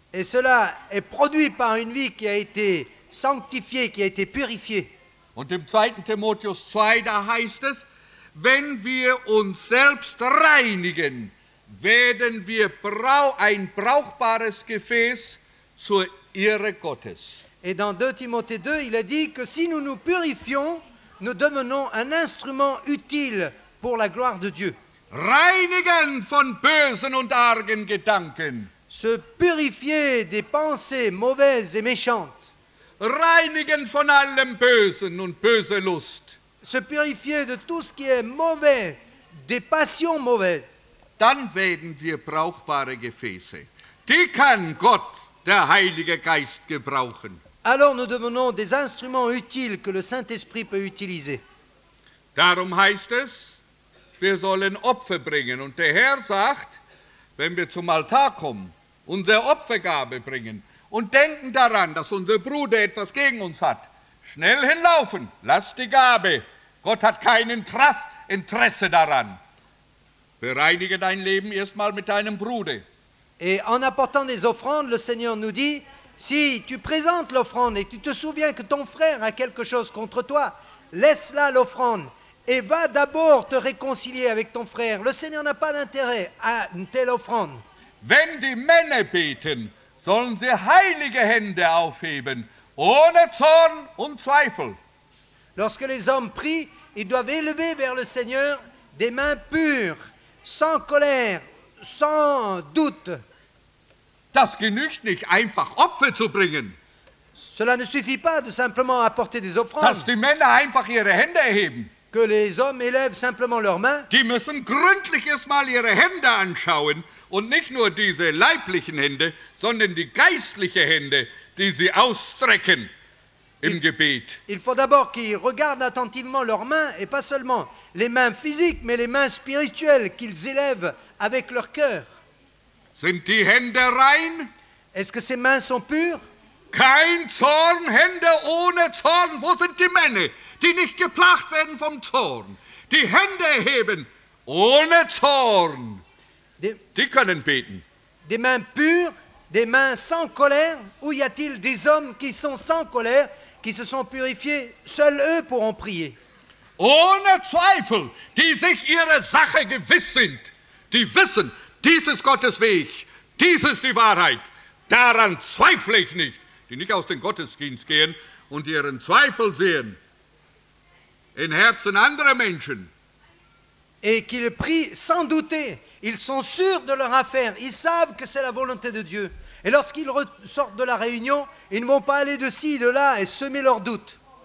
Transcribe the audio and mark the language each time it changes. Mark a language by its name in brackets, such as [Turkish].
[French] Et cela est produit par une vie qui a été sanctifiée, qui a été purifiée. [German] Und im 2. Timotheus 2, da heißt es, wenn wir uns selbst reinigen, werden wir ein brauchbares Gefäß zur Ehre Gottes. [French] Et dans 2 Timothée 2, il a dit que si nous nous purifions, nous devenons un instrument utile pour la gloire de Dieu. [German] Reinigen von bösen und argen Gedanken. [French] Se purifier des pensées mauvaises et méchantes. [German] Reinigen von allem bösen und böse Lust. [French] Se purifier de tout ce qui est mauvais, des passions mauvaises. [German] Dann werden wir brauchbare Gefäße. Die kann Gott, der Heilige Geist, gebrauchen. [French] Alors nous devenons des instruments utiles que le Saint-Esprit peut utiliser. [German] Darum heißt es, wir sollen Opfer bringen. Und der Herr sagt, wenn wir zum Altar kommen, unsere Opfergabe bringen und denken daran, dass unser Bruder etwas gegen uns hat, schnell hinlaufen, lass die Gabe. Gott hat kein Interesse daran. Bereinige dein Leben erstmal mit deinem Bruder. [French] Et en apportant des offrandes, le Seigneur nous dit, si tu présentes l'offrande et tu te souviens que ton frère a quelque chose contre toi, laisse là l'offrande. Et va d'abord te réconcilier avec ton frère. Le Seigneur n'a pas d'intérêt à une telle offrande. [German] Wenn die Männer beten, sollen sie heilige Hände aufheben, ohne Zorn und Zweifel. [French] Lorsque les hommes prient, ils doivent élever vers le Seigneur des mains pures, sans colère, sans doute. [German] Das genügt nicht, einfach Opfer zu bringen. [French] Cela ne suffit pas de simplement apporter des offrandes. [German] Dass die Männer einfach ihre Hände erheben. [French] Que les hommes élèvent simplement leurs mains. [German] Die müssen gründlich erstmal ihre Hände anschauen und nicht nur diese leiblichen Hände, sondern die geistlichen Hände, die sie ausstrecken im Gebet. [French] Il faut d'abord qu'ils regardent attentivement leurs mains et pas seulement les mains physiques, mais les mains spirituelles qu'ils élèvent avec leur cœur. [German] Sind die Hände rein? [French] Est-ce que ces mains sont pures? [German] Kein Zorn, Hände ohne Zorn. Wo sind die Männer, die nicht geplagt werden vom Zorn? Die Hände erheben ohne Zorn. Die können beten. [French] Des mains pures, des mains sans colère. Où y a-t-il des hommes qui sont sans colère, qui se sont purifiés? Seuls eux pourront prier. [German] Ohne Zweifel, die sich ihre Sache gewiss sind. Die wissen, dies ist Gottes Weg, dies ist die Wahrheit. Daran zweifle ich nicht. Die nicht aus dem Gottesdienst gehen und ihren Zweifel sehen in Herzen anderer Menschen. [French] Et qu'ils prient sans douter. Ils sont sûrs de leur affaire. Ils savent que c'est la volonté de Dieu. Et lorsqu'ils sortent de la réunion, ils ne vont pas aller de ci, de là et semer leurs doutes.